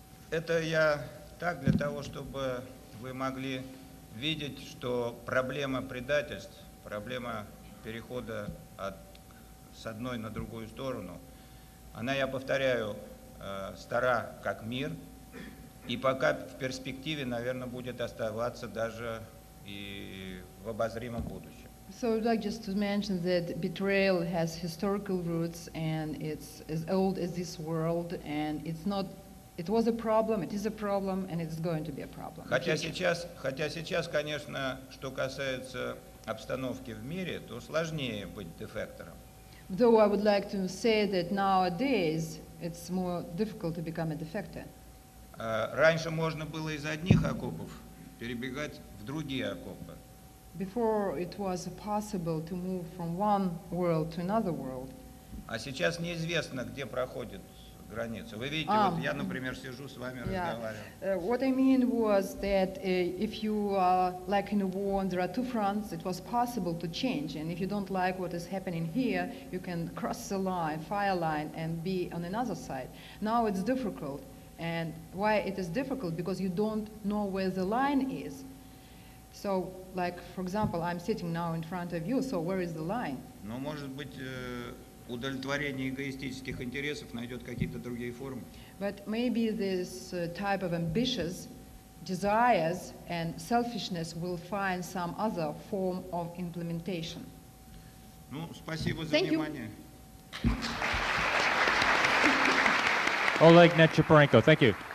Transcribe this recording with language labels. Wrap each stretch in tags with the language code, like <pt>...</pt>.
<ru>Это я так для того, чтобы вы могли видеть, что проблема предательств, проблема перехода от, с одной на другую сторону, она, я повторяю, стара как мир, и пока в перспективе, наверное, будет оставаться даже и в обозримом будущем.</ru> <en>So I'd like just to mention that betrayal has historical roots, and it's as old as this world, and it's not, it was a problem, it is a problem, and it's going to be a problem.</en> <ru>Хотя сейчас, конечно, что касается обстановки в мире, то сложнее быть дефектором.</ru> <en>Though I would like to say that nowadays it's more difficult to become a defector.</en> <ru>Раньше можно было из одних окопов перебегать в другие окопы.</ru> <en>Before it was possible to move from one world to another world.</en> <ru>А сейчас неизвестно, где проходит граница. Вы видите, вот я, например, сижу с вами,</ru> <en>yeah,</en> <ru>разговариваю.</ru> <en>What I mean was that if you are like in a war and there are two fronts, it was possible to change. And if you don't like what is happening here, you can cross the line, fire line, and be on another side. Now it's difficult. And why it is difficult? Because you don't know where the line is. So, like, for example, I'm sitting now in front of you, so where is the line?</en> <ru>Ну, может быть, удовлетворение эгоистических интересов найдет какие-то другие формы.</ru> <en>But maybe this type of ambitious desires and selfishness will find some other form of implementation.</en> <ru>Ну, спасибо за</ru> <en>Thank</en> <ru>внимание.</ru> <en>You. Oleg Nechiporenko, thank you.</en>